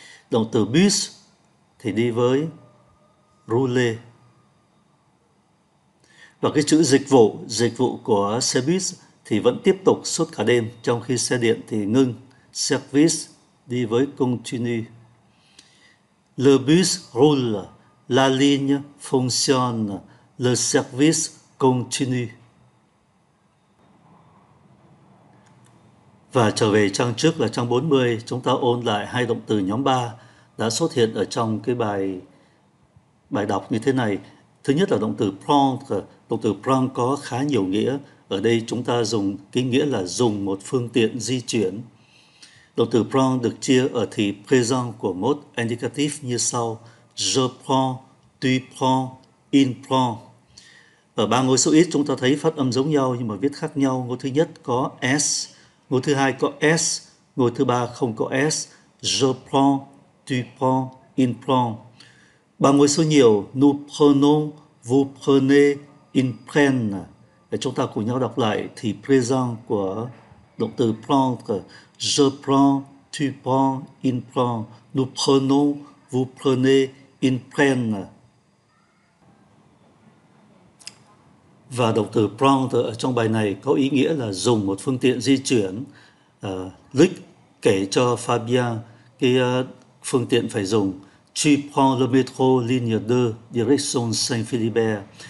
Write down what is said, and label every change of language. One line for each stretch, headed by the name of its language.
Vietnamese: Động từ bus thì đi với rouler. Và cái chữ dịch vụ của xe bus thì vẫn tiếp tục suốt cả đêm, trong khi xe điện thì ngưng. Service đi với continue.
French: Le bus roule, la ligne fonctionne, le service continue.
Vietnamese: Và trở về trang trước là trang 40, chúng ta ôn lại hai động từ nhóm 3 đã xuất hiện ở trong cái bài bài đọc như thế này. Thứ nhất là động từ prendre. Động từ prendre có khá nhiều nghĩa. Ở đây chúng ta dùng cái nghĩa là dùng một phương tiện di chuyển. Động từ prendre được chia ở thì present của mode indicative như sau:
French: je prends, tu prends, il prend.
Vietnamese: Ở ba ngôi số ít chúng ta thấy phát âm giống nhau nhưng mà viết khác nhau. Ngôi thứ nhất có S, ngôi thứ hai có S, ngôi thứ ba không có S.
French: Je prends, tu prends, il prend.
Vietnamese: Ba ngôi số nhiều:
French: nous prenons, vous prenez, ils prennent.
Vietnamese: Để chúng ta cùng nhau đọc lại thì present của động từ prendre:
French: je prends, tu prends, il prend. Nous prenons, vous prenez, ils prennent.
Vietnamese: Và động từ prendre ở trong bài này có ý nghĩa là dùng một phương tiện di chuyển. Luc kể cho Fabien cái phương tiện phải dùng:
French: tu prends le métro ligne 2 direction Saint-Philibert.